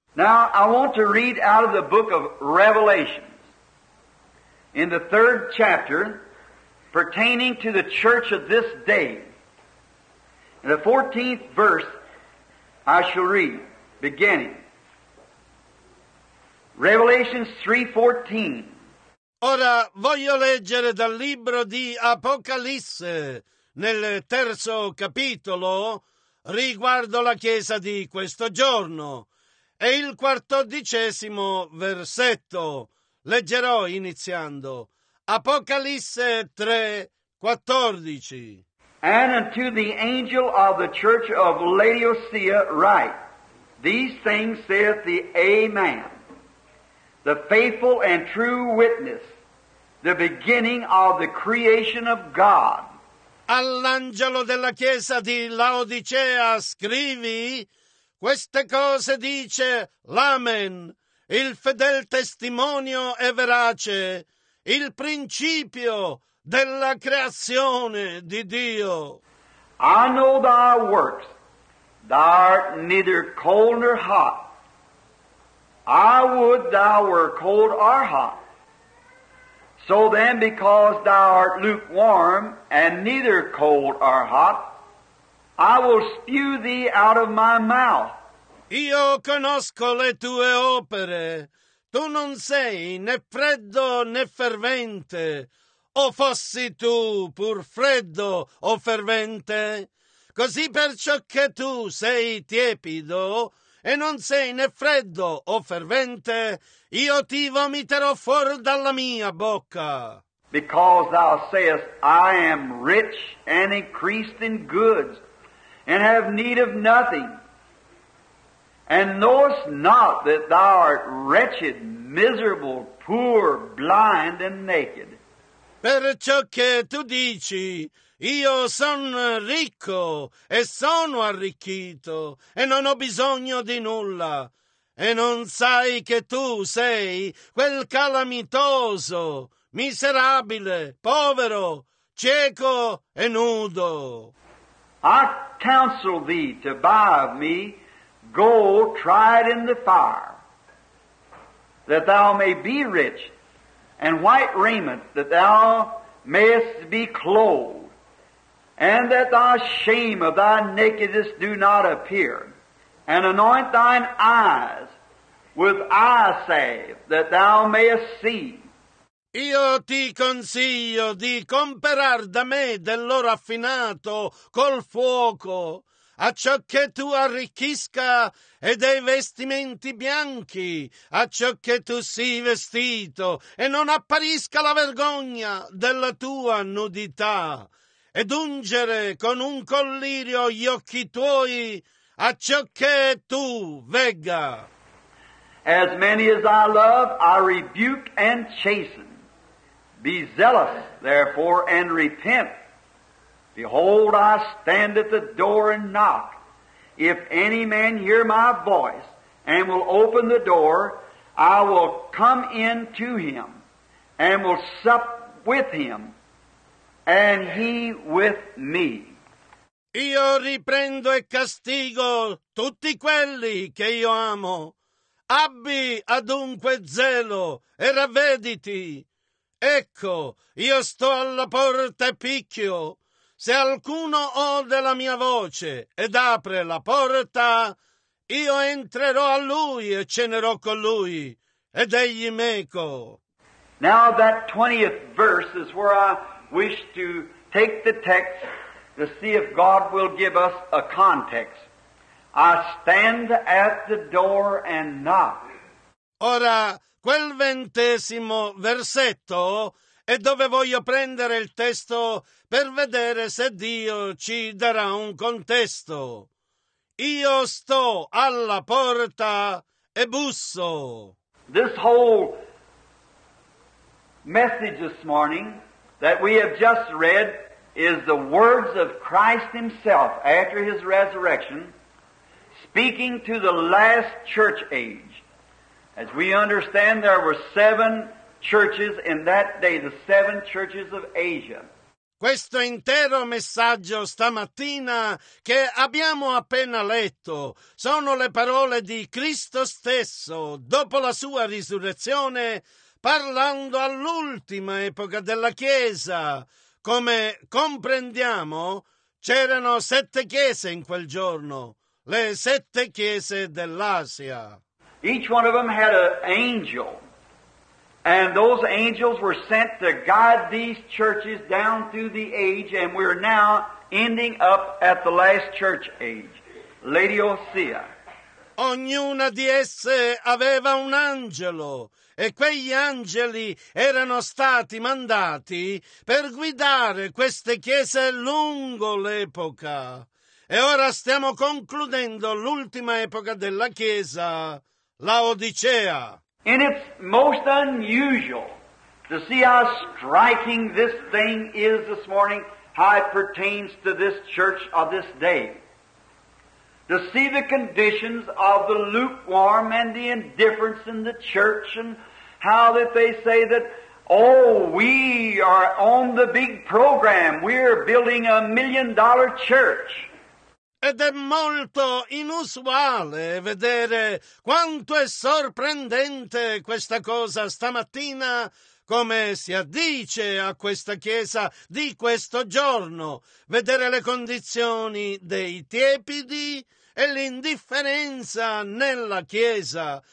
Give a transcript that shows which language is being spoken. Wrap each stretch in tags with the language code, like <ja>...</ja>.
<en>Now I want to read out of the book of Revelation, in the third chapter, pertaining to the church of this day. In the 14th verse, I shall read, beginning. Revelation 3:14.</en> <it>Ora voglio leggere dal libro di Apocalisse, nel terzo capitolo, riguardo la Chiesa di questo giorno, e il quattordicesimo versetto. Leggerò iniziando. Apocalisse 3:14.</it> <en>And unto the angel of the church of Laodicea write, these things saith the Amen, the faithful and true witness, the beginning of the creation of God.</en> <it>All'angelo della chiesa di Laodicea scrivi, queste cose dice l'Amen, il fedel testimonio e verace, il principio della creazione di Dio.</it> <en>I know thy works, thou art neither cold nor hot. I would thou were cold or hot. So then, because thou art lukewarm, and neither cold or hot, I will spew thee out of my mouth.</en> <it>Io conosco le tue opere. Tu non sei né freddo né fervente. O fossi tu pur freddo o fervente? Così perciò che tu sei tiepido, e non sei né freddo o fervente, io ti vomiterò fuor dalla mia bocca.</it> <en>Because thou sayest, I am rich and increased in goods, and have need of nothing, and knowest not that thou art wretched, miserable, poor, blind, and naked.</en> <it>Perciò che tu dici, io son ricco e sono arricchito e non ho bisogno di nulla, e non sai che tu sei quel calamitoso, miserabile, povero, cieco e nudo.</it> <en>I counsel thee to buy of me gold tried in the fire, that thou may be rich, and white raiment, that thou mayest be clothed, and that thy shame of thy nakedness do not appear, and anoint thine eyes with eye salve, that thou mayest see.</en> <it>Io ti consiglio di comperar da me dell'oro affinato col fuoco, a ciò che tu arricchisca, e dei vestimenti bianchi, a ciò che tu sii vestito, e non apparisca la vergogna della tua nudità, ed ungere con un collirio gli occhi tuoi, a ciò che tu vegga.</it> <en>As many as I love, I rebuke and chasten. Be zealous, therefore, and repent. Behold, I stand at the door and knock. If any man hear my voice and will open the door, I will come in to him and will sup with him, and he with me.</en> <it>Io riprendo e castigo tutti quelli che io amo. Abbi adunque zelo e ravvediti. Ecco, io sto alla porta e picchio. Se alcuno ode la mia voce ed apre la porta, io entrerò a lui e cenerò con lui, ed egli meco.</it> <en>Now that 20th verse is where I wish to take the text to see if God will give us a context. I stand at the door and knock.</en> <it>Ora, quel 20° versetto è dove voglio prendere il testo per vedere se Dio ci darà un contesto. Io sto alla porta e busso.</it> <en>This whole message this morning that we have just read is the words of Christ himself after his resurrection, speaking to the last church age. As we understand, there were seven churches in that day, the seven churches of Asia.</en> <it>Questo intero messaggio stamattina che abbiamo appena letto sono le parole di Cristo stesso dopo la sua risurrezione, parlando all'ultima epoca della Chiesa. Come comprendiamo, c'erano sette chiese in quel giorno, le sette chiese dell'Asia.</it> <en>Each one of them had an angel. And those angels were sent to guide these churches down through the age, and we're now ending up at the last church age, Laodicea.</en> <it>Ognuna di esse aveva un angelo, e quegli angeli erano stati mandati per guidare queste chiese lungo l'epoca. E ora stiamo concludendo l'ultima epoca della Chiesa, Laodicea.</it> <en>And it's most unusual to see how striking this thing is this morning, how it pertains to this church of this day. To see the conditions of the lukewarm and the indifference in the church, and how that they say that, oh, we are on the big program, we're building a $1 million church.</en> <it>Ed è molto inusuale vedere quanto è sorprendente questa cosa stamattina, come si addice a questa chiesa di questo giorno, vedere le condizioni dei tiepidi e l'indifferenza nella chiesa.</it>